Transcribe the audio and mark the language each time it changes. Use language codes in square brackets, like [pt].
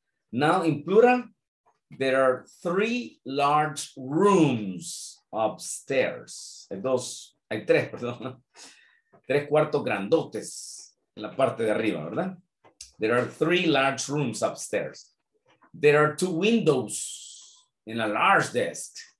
[en] Now, in plural, there are three large rooms upstairs. [es] Tres cuartos grandotes en la parte de arriba, ¿verdad? [en] There are three large rooms upstairs. There are two windows in a large desk.